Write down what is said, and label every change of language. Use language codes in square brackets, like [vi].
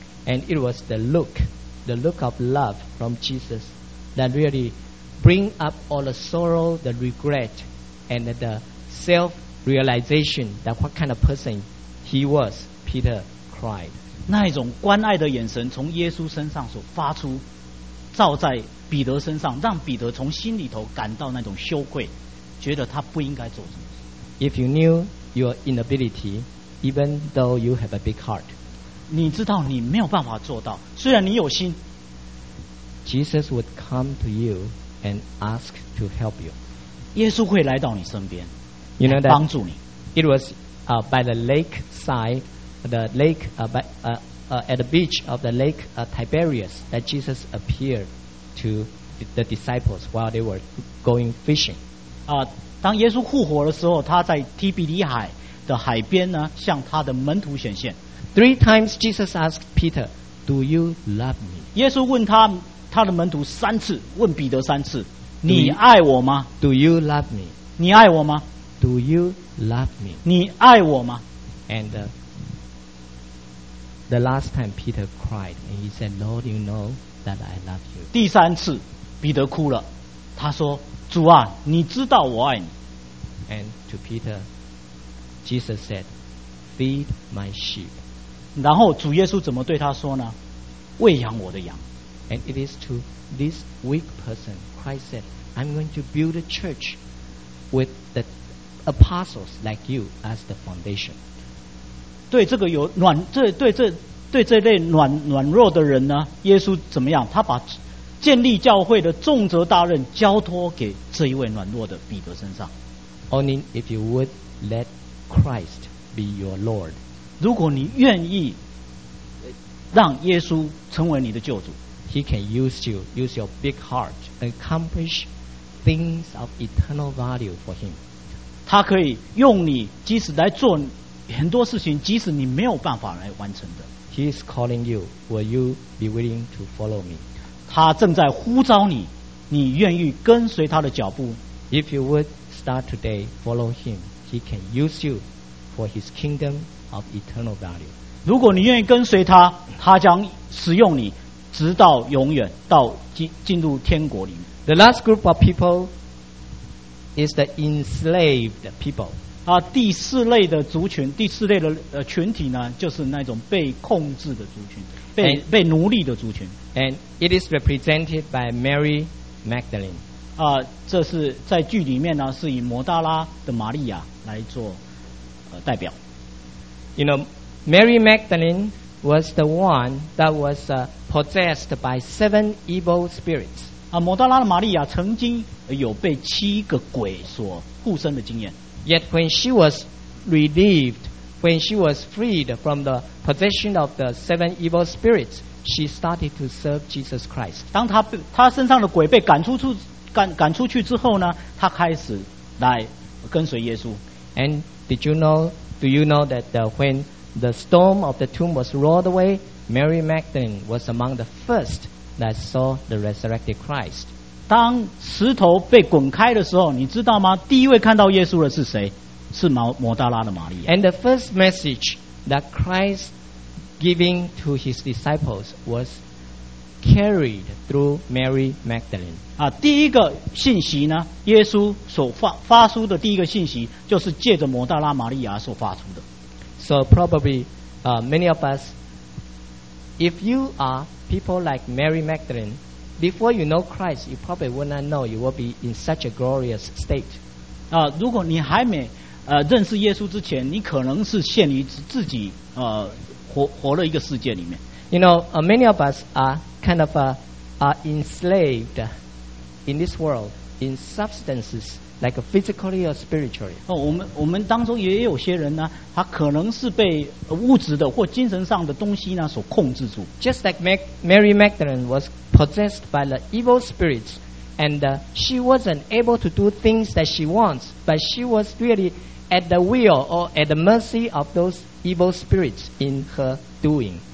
[en] And it was the look of love from Jesus, that really. Bring up all the sorrow, the regret, and the self-realization that what kind of person he was. Peter cried. [zh] 那一种关爱的眼神从耶稣身上所发出，照在彼得身上，让彼得从心里头感到那种羞愧，觉得他不应该做什么事。 [en] If you knew your inability, even though you have a big heart, [zh] 你知道你没有办法做到，虽然你有心。 [en] Jesus would come to you. And ask to help you. [zh] 耶稣会来到你身边 [en] You know that [zh] 帮助你 [en] It was by the lake side the lake at the beach of the lake Tiberias that Jesus appeared to the disciples while they were going fishing. [zh] 当耶稣复活的时候，他在提比利海的海边呢，向他的门徒显现。 [en] Three times Jesus asked Peter, "Do you love me?" [zh] 耶稣问他的门徒三次，问彼得三次，你爱我吗 [en] ？Do you love me? [zh] 你爱我吗 [en] ？Do you love me? [zh] 你爱我吗 [en] ？And the last time Peter cried and he said, "Lord, you know that I love you." [zh] 第三次，彼得哭了，他说。主啊，你知道我爱你。 [en] And to Peter, Jesus said, "Feed my sheep." [zh] 然后主耶稣怎么对他说呢？喂养我的羊。 [en] And it is to this weak person, Christ said, "I'm going to build a church with the apostles like you as the foundation." [zh] 对这个有软，这对这对这类软弱的人呢，耶稣怎么样？他把建立教会的重责大任交托给这一位软弱的彼得身上。 [en] Only if you would let Christ be your Lord. [zh] 如果你愿意让耶稣成为你的救主 [en] ，He can use you, use your big heart, accomplish things of eternal value for Him. [zh] 他可以用你，即使来做很多事情，即使你没有办法来完成的。 [en] He is calling you. Will you be willing to follow me? [zh] 他正在呼召你，你愿意跟随他的脚步。 [en] If you would start today, follow him, he can use you for his kingdom of eternal value. [zh] 如果你愿意跟随他，他将使用你，直到永远，到进入天国里面。 [en] The last group of people is the enslaved people. [zh] 第四类的族群，第四类的群体呢，就是那种被控制的族群。被奴隶的族群 [en] and it is represented by Mary Magdalene [zh] 这是在剧里面呢是以摩大拉的玛利亚来做代表 [en] you know Mary Magdalene was the one that was possessed by seven evil spirits [zh] 摩大拉的玛利亚曾经有被七个鬼所附身的经验 [en] yet when she was relievedWhen she was freed from the possession of the seven evil spirits, she started to serve Jesus Christ. [zh] 当她身上的鬼被赶出去之后呢，她开始来跟随耶稣。 [en] And do you know that when the stone of the tomb was rolled away, Mary Magdalene was among the first that saw the resurrected Christ. [zh] 当石头被滚开的时候，你知道吗？第一位看到耶稣的是谁？是摩大拉的玛利亚。 [en] And the first message that Christ giving to his disciples was carried through Mary Magdalene. [zh] 第一个信息呢，耶稣所发出的第一个信息，就是借着摩大拉玛利亚所发出的。 [en] So probably, many of us, if you are people like Mary Magdalene, before you know Christ, you probably will not know you will be in such a glorious state. [zh] 如果你还没认识耶稣之前，你可能是陷于自己活了一个世界里面。 [en] You know, many of us are kind of are enslaved in this world in substances like physically or spiritually. [zh] 我们当中也有些人呢，他可能是被物质的或精神上的东西呢所控制住。 [en] Just like Mary Magdalene was possessed by the evil spirits. And she wasn't able to do things that she wants, but she was really at the will or at the mercy of those evil spirits in her doing.